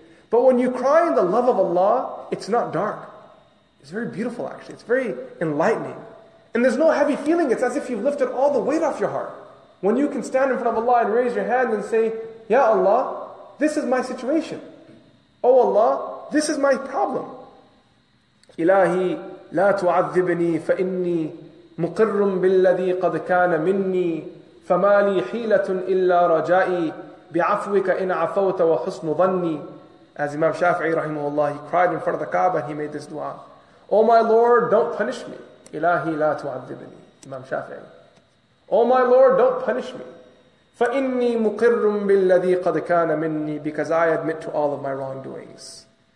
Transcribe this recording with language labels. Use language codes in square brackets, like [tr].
[en] But when you cry in the love of Allah, it's not dark. It's very beautiful actually. It's very enlightening. And there's no heavy feeling. It's as if you've lifted all the weight off your heart. When you can stand in front of Allah and raise your hand and say, Ya Allah, this is my situation. Oh Allah, this is my problem. [ar] إلهي لا تعذبني فإني مقر بالذي قد كان مني فما لي حيلة إلا رجائي بعفوك إن عفوت وحسن ظني. [en] As Imam Shafi'i rahimahullah, he cried in front of the Kaaba and he made this dua. Oh my Lord, don't punish me. [ar] إلهي لا تعذبني. Imam Shafi'i. [en] Oh my Lord, don't punish me. [ar] فإني مقر بالذي قد كان مني, [en] because I admit to all of my wrongdoings.